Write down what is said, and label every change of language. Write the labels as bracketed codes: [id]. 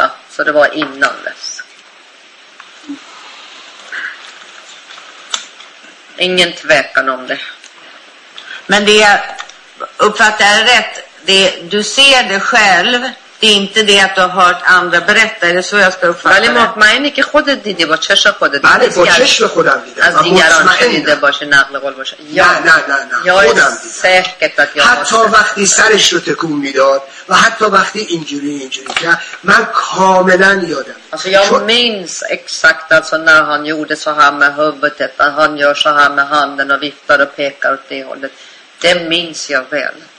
[sv] Så det var innan dess. Ingen tvekan om det. Men det uppfattar jag rätt. Det, du ser det själv. Det är inte det att du har hört andra berätta, det är så jag ska uppfatta det. Men man inte [fa] خودت دیدی با چش خودت دیدی. بله با چش خودم دیدم. از دیگران شنیده باشه نقل قول باشه. نه خودم دیدم. حتی وقتی سرش رو تکون میداد و حتی وقتی اینجوری اینجوری که من کاملا یادم. [sv] Alltså jag minns exakt alltså när han gjorde så här med huvudet, att han gör så här med handen och viftar och pekar åt det hållet. Det minns jag väl.